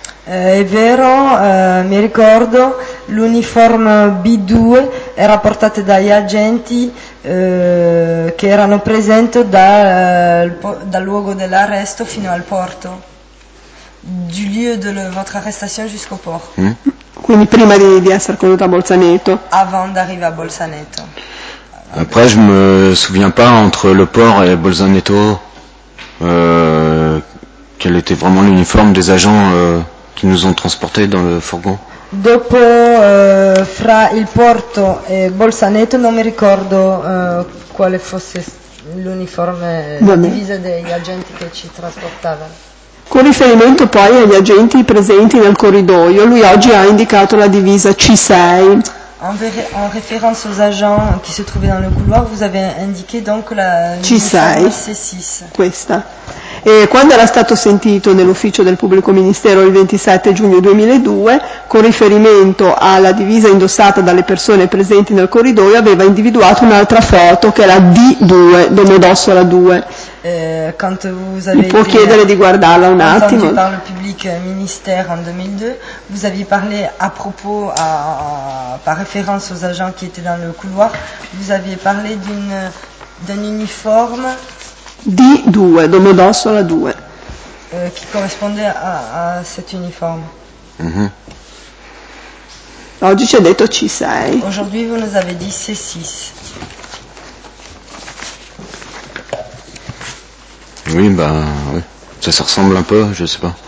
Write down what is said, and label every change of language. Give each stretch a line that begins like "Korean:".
Italian: È vero, mi ricordo, l'uniforme B2 era portato dagli agenti che erano presenti dal luogo dell'arresto fino al porto.
French: Du lieu de votre arrestation jusqu'au port. Mmh.
Italian: Quindi prima di essere conduta a Bolzaneto.
French: Avant d'arriver à Bolzaneto. Après, je me souviens pas entre le port et Bolzaneto, quel était vraiment l'uniforme des agents qui nous ont transportés dans le fourgon.
Italian: Dopo, fra il porto e Bolzaneto, non mi ricordo quale fosse l'uniforme, la divisa degli agenti che ci trasportavano. Con riferimento poi agli agenti presenti nel corridoio, lui oggi ha indicato la divisa C6.
French: En référence aux agents qui se trouvaient dans le couloir, vous avez indiqué donc la
Italian: divisa C6. Questa. E quando era stato sentito nell'ufficio del pubblico ministero il 27 giugno 2002, con riferimento alla divisa indossata dalle persone presenti nel corridoio, aveva individuato un'altra foto che era D2, Domodossola 2.
French: Quand vous avez
Italian: Può chiedere di guardarla un attimo. Quando parlo pubblico ministero in 2002,
French: vous aviez parlé à propos, par référence aux agents qui étaient dans le couloir, vous aviez parlé d'un uniforme D2, Domodossola 2.
Italian: Che corrisponde a questo uniforme. Mm-hmm. Oggi ci ha detto C6.
French: Aujourd'hui, vous nous avez dit C6. Oui, bah oui. Ça se ressemble un peu, je sais pas.